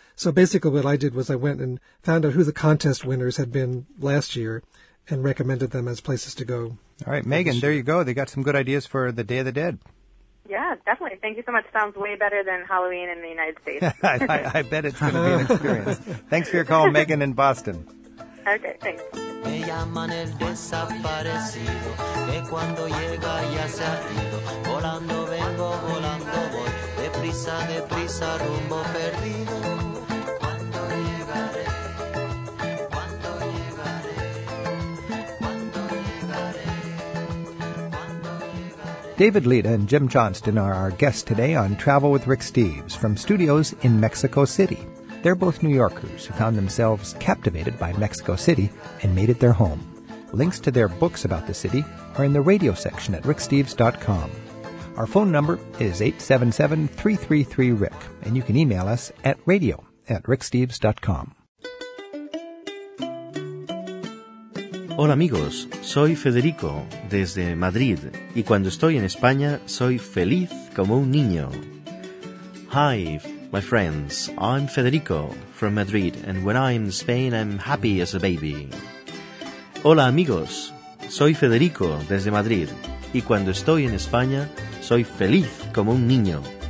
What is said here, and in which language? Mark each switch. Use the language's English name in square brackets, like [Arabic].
[English] So basically what I did was I went and found out who the contest winners had been last year and recommended them as places to go. All right, Megan, there you go. They got some good ideas for the Day of the Dead. Yeah, definitely. Thank you so much. Sounds way better than Halloween in the United States. I bet it's going to be an experience. Thanks for your call, Megan in Boston. Okay, thanks. [Spanish] Me llaman el desaparecido, que cuando llega ya se ha ido. Volando vengo, volando voy, deprisa, deprisa, rumbo perdido. [English] David Lita and Jim Johnston are our guests today on Travel with Rick Steves from studios in Mexico City. They're both New Yorkers who found themselves captivated by Mexico City and made it their home. Links to their books about the city are in the radio section at ricksteves.com. Our phone number is 877-333-RICK, and you can email us at radio@ricksteves.com. [Spanish] Hola amigos, soy Federico desde Madrid y cuando estoy en España soy feliz como un niño. [English] Hi my friends, I'm Federico from Madrid and when I'm in Spain I'm happy as a baby. [Spanish] Hola amigos, soy Federico desde Madrid y cuando estoy en España soy feliz como un niño.